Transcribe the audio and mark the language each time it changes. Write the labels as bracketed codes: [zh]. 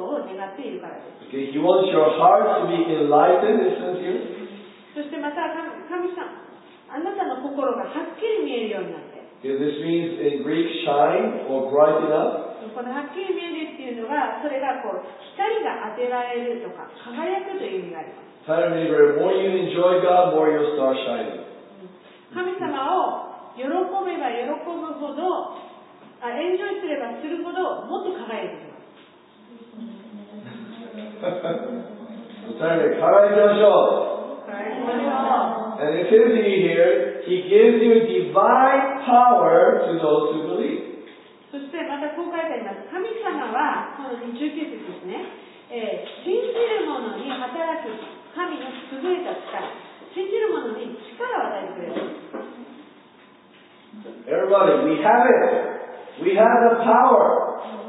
[en] Okay, He wants your heart to be enlightened, it says here. Okay, this means in Greek, shine or brighten up. [ja] このはっきり見えるっていうのは、それがこう光が当てられるとか、輝くという意味があります。 [en] Tell me, the more you enjoy God, the more you'll start shining. [ja] 神様を喜べば喜ぶほど、あ、エンジョイすればするほど、もっと輝いてきます。お互いに輝きましょう。 [en] And it says in here, He gives you divine power to those who believe. [ja] そしてまたこう書いてあります。神様は、この19節ですね、信じる者に働く神の優れた力、信じる者に力を与えてくれる。 [en] Everybody, we have it. We have the power.